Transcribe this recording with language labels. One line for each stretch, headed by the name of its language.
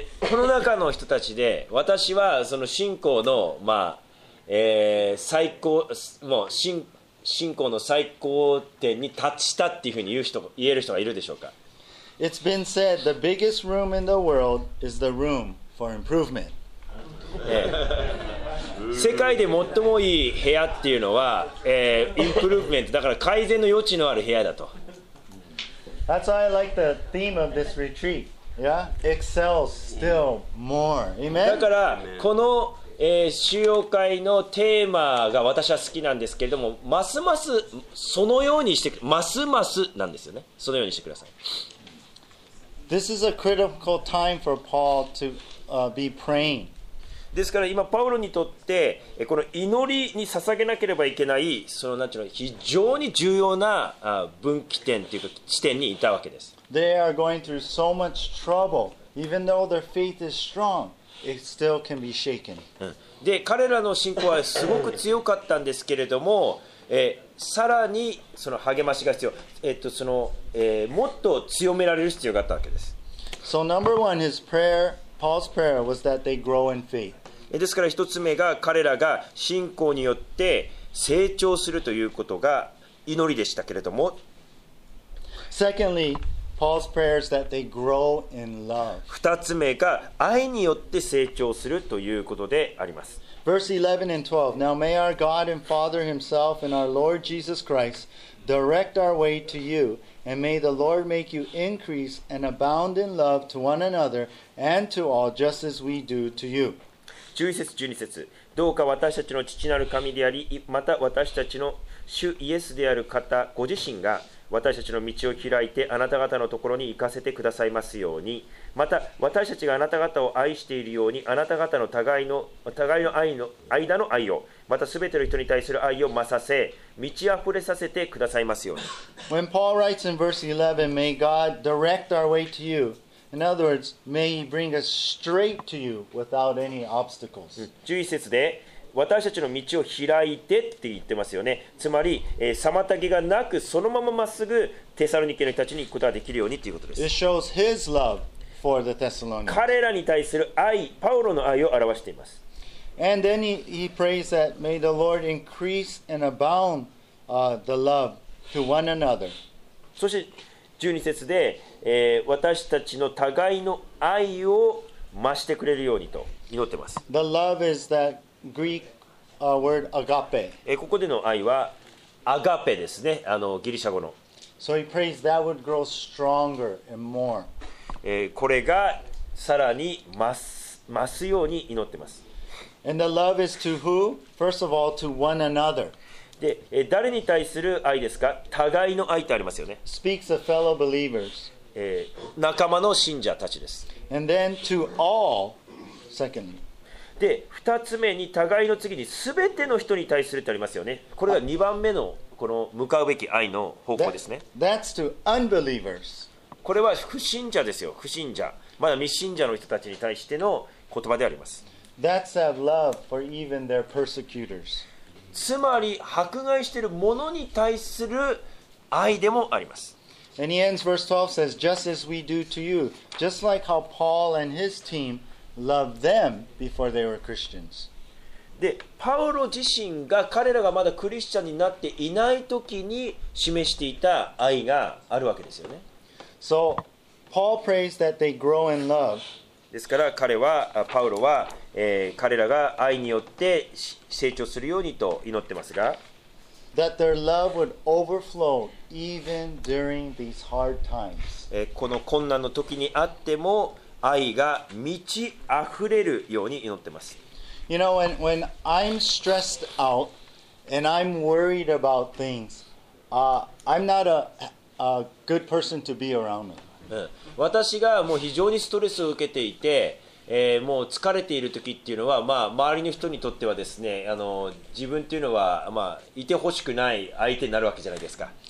Japanese: この中の人たちで私はその信仰のまあ最高、もう信仰の最高点に達したっていうふうに言える人がいるでしょうか。
English: It's been said the biggest room in the world is the room for improvement.
Japanese: 世界で最もいい部屋っていうのは、improvement だから改善の余地のある部屋だと。
English: That's why I like the theme of this retreat. Yeah, excel still more. Amen.
Japanese: だからこの主要会のテーマが私は好きなんですけれども、ますますそのようにして、ますますなんですよね。そのようにしてください。
English: This is a critical time for Paul to be praying.
Japanese: ですから今パウロにとってこの祈りに捧げなければいけない、そのなんていうの、非常に重要な分岐点というか地点にいたわけです。
English: They are going through so much trouble, even though their faith is strong. It still can be shaken.
Japanese: で、彼らの信仰はすごく強かったんですけれども、さらにその励ましが必要、もっと強められる必要があったわけです。
English: So number one, his prayer, Paul's prayer was that they grow in faith.
Japanese: ですから一つ目が彼らが信仰によって成長するということが祈りでしたけれども。
English: Secondly, Paul's prayer is that they grow in love.
Japanese: 2つ目が愛によって成長するということであります。
English: Verse 11 and 12. Now may our God and Father himself and our Lord Jesus Christ direct our way to you, and may the Lord make you increase and abound in love to one another and to all, just as we do to you.
Japanese: 11節、12節。どうか私たちの父なる神であり、また私たちの主イエスである方ご自身が私たちの道を開いてあなた方のところに行かせてくださいますように、また私たちがあなた方を愛しているように、あなた方の互いの愛の間の愛を、またすべての人に対する愛を増させ、満ち溢れさせてくださいますように。
English: When Paul writes in verse 11, may God direct our way to you. In other words, may he bring us straight to you without any obstacles.
Japanese: 11節で私たちの道を開いてって言ってますよね。つまり、妨げがなくそのまままっすぐテサロニケの人たちに行くことができるようにということです。
English: It shows his love for the Thessalonians.
Japanese: 彼らに対する愛、パウロの愛を表しています。
English: And then he prays that may the Lord increase and abound the love to one another.
Japanese: そして12節で、私たちの互いの愛を増してくれるようにと祈ってます。
English: The love is thatGreek word agape.
Japanese: ここでの愛はアガペですね、ギリシャ語の。
English: So he prays that would grow stronger and more.
Japanese: これがさらに増すように祈ってます。
English: And the love is to who? First of all, to one another.
Japanese: で、誰に対する愛ですか？互いの愛ってありますよね。
English: Speaks of fellow believers.
Japanese: 仲間の信者たちです。
English: And then to all, secondly.
Japanese: で、二つ目に互いの次に全ての人に対するってありますよね。これが二番目のこの向かうべき愛の方向ですね。
English: That's to unbelievers.
Japanese: これは不信者ですよ。不信者、まだ未信者の人たちに対しての言葉であります。
English: That's to have love for even their persecutors.
Japanese: つまり迫害しているものに対する愛でもあります。
English: And he ends verse 12 says, just as we do to you, just like how Paul and his teamLove them before they were Christians.
Japanese: で、パウロ自身が彼らがまだクリスチャンになっていない時に示していた愛があるわけですよね。
English: So, Paul prays that they grow in love.
Japanese: ですから彼は、パウロは、彼らが愛によって成長するようにと祈ってますが、 That their love would overflow even during these hard times. この困難の時にあっても愛が満ち溢れるように祈ってます。
English: You know, when I'm stressed out and I'm worried about things, I'm not a good person to be around.
Japanese: 私がもう非常にストレスを受けていて、もう疲れている時っていうのは、まあ、周りの人にとってはですね、自分っていうのは、まあ、いてほしくない相手になるわけじゃないですか。